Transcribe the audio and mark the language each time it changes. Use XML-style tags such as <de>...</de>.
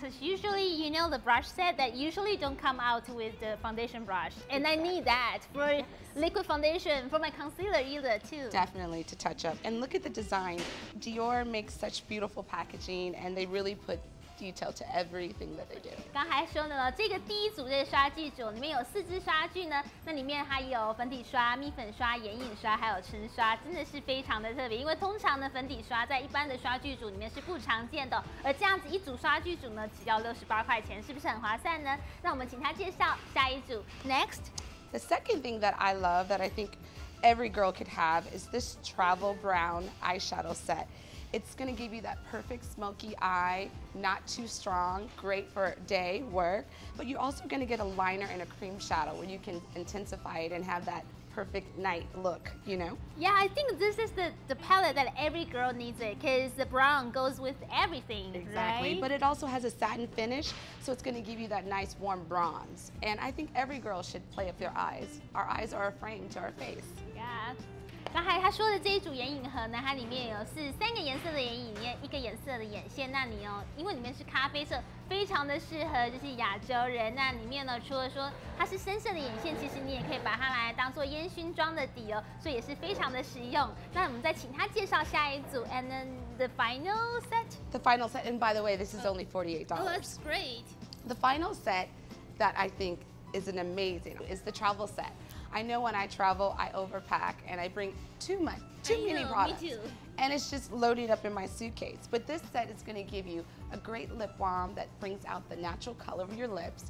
<en>So usually, you know, the brush set that usually don't come out with the foundation brush. And exactly. I need that for liquid foundation, for my concealer either too. Definitely, to touch up. And look at the design. Dior makes such beautiful packaging and they really put detail to everything that they do.</en> <zh>刚才说了，这个第一组这个刷具组里面有四支刷具呢，那里面还有粉底刷、蜜粉刷、眼影刷，还有唇刷，真的是非常的特别。因为通常的粉底刷在一般的刷具组里面是不常见的，而这样子一组刷具组呢，只要$68，是不是很划算呢？那我们请他介绍下一组。</zh> <en>Next, the second thing that I love that I think every girl could have is this travel brown eyeshadow set. It's gonna give you that perfect smoky eye, not too strong, great for day work, but you're also gonna get a liner and a cream shadow where you can intensify it and have that perfect night look, you know? Yeah, I think this is the palette that every girl needs it, because the brown goes with everything, exactly. Right? But it also has a satin finish, so it's gonna give you that nice warm bronze. And I think every girl should play up their eyes. Our eyes are a frame to our face. Yeah.</en> <zh>刚才他说的这一组眼影盒呢，它里面有是三个颜色的眼影，一个颜色的眼线。那你哦，因为里面是咖啡色，非常的适合就是亚洲人。那里面呢，除了说它是深色的眼线，其实你也可以把它来当做烟熏妆的底哦，所以也是非常的实用。那我们再请他介绍下一组 ，</zh> <en>and then the final set. The final set, and by the way, this is only $48. Oh, that's great. The final set that I think is an amazing is the travel set. I know when I travel, I overpack and I bring too many products. Me too. And it's just loading up in my suitcase. But this set is going to give you a great lip balm that brings out the natural color of your lips.</en>